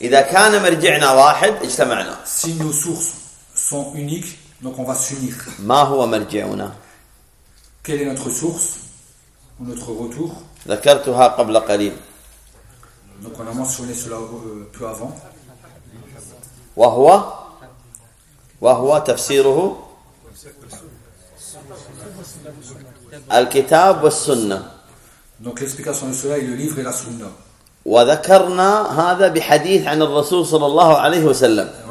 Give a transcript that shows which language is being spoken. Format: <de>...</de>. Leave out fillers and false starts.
<ar>إذا كان مرجعنا واحد اجتمعنا.</ar> <fr>Si nos sources sont uniques, donc on va s'unir.</fr> <ar>ما هو مرجعنا؟</ar> <fr>Quelle est notre source ou notre retour?</fr> <ar>ذكرتها قبل قليل.</ar> <fr>Donc on a mentionné cela peu avant.</fr> <ar>وهو تفسيره الكتاب والسنة.</ar> <fr>Donc l'explication de cela est le livre et la sunna.</fr> <ar>وذكرنا هذا بحديث عن الرسول صلى الله عليه وسلم.</ar>